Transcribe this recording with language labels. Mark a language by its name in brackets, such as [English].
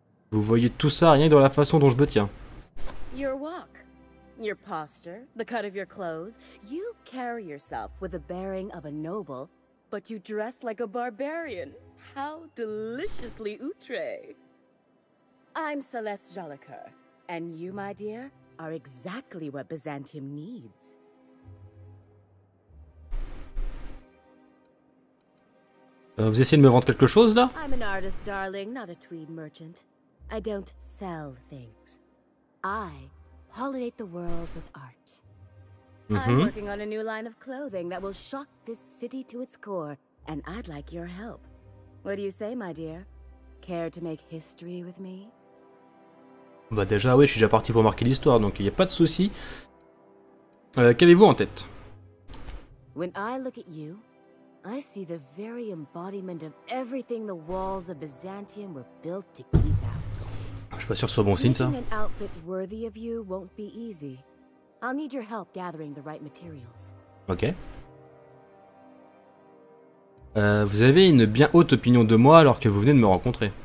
[French] Vous voyez tout ça rien que dans la façon dont je me tiens. [English] Your walk, your posture, the cut of your clothes, you carry yourself with the bearing of a noble, but you dress like a barbarian. How deliciously outré. I'm Celeste Jolicoeur, and you, my dear, are exactly what Byzantium needs. Vous essayez de me vendre quelque chose là? I'm an artist, darling, not a tweed merchant. I don't sell things. I pollinate the world with art. Mm-hmm. I'm working on a new line of clothing that will shock this city to its core, and I'd like your help. What do you say, my dear? Care to make history with me? [French] Bah déjà, oui, je suis déjà parti pour marquer l'histoire, donc il n'y a pas de souci. Qu'avez-vous en tête? [English] When I look at you, I see the very embodiment of everything the walls of Byzantium were built to keep out. [French] Je suis pas sûr que ce soit bon signe, ça. [English] Making an outfit worthy of you won't be easy. I'll need your help gathering the right materials. Ok. [French] Vous avez une bien haute opinion de moi alors que vous venez de me rencontrer.